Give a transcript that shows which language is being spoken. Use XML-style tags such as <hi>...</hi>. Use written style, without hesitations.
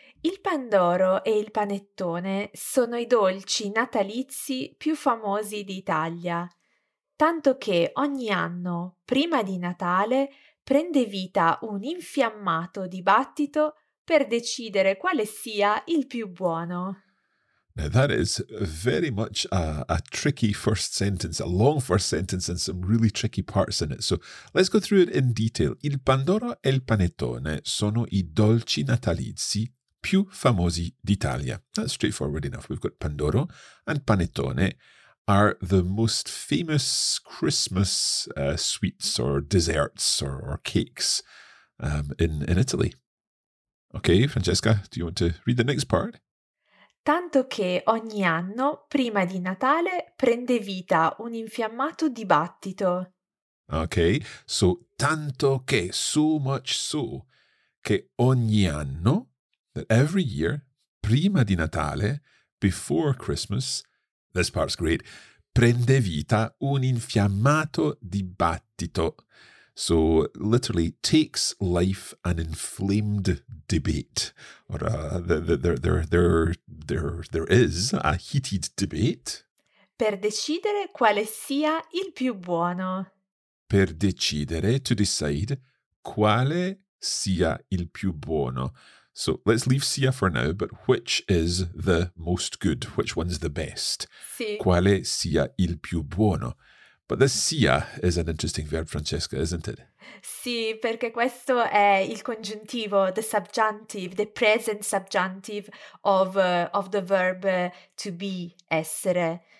<it>Il Pandoro e il panettone sono i dolci natalizi più famosi d'Italia, tanto che ogni anno, prima di Natale, prende vita un infiammato dibattito per decidere quale sia il più buono.</it> <en>Now that is very much a tricky first sentence, a long first sentence and some really tricky parts in it. So let's go through it in detail.</en> <it>Il Pandoro e il panettone sono i dolci natalizi più famosi d'Italia.</it> <en>That's straightforward enough. We've got Pandoro and panettone are the most famous Christmas sweets or desserts or cakes in Italy. Okay, Francesca, do you want to read the next part?</en> <it>Tanto che ogni anno, prima di Natale, prende vita un infiammato dibattito.</it> <en>Okay, so</en> <it>tanto che,</it> <en>so much so,</en> <it>che ogni anno,</it> <en>that every year,</en> <it>prima di Natale,</it> <en>before Christmas, this part's great,</en> <it>prende vita un infiammato dibattito.</it> <en>So, literally, takes life an inflamed debate. Or there is a heated debate.</en> <it>Per decidere quale sia il più buono. per decidere,</it> <en>to decide,</en> <it>quale sia il più buono.</it> <en>So let's leave sia for now, but which is the most good? Which one's the best?</en> <it>Sì. Quale sia il più buono?</it> <en>But this sia is an interesting verb, Francesca, isn't it?</en> <it>Sì, perché questo è il congiuntivo,</it> <en>the subjunctive, the present subjunctive of the verb to be,</en> <it>essere.</it>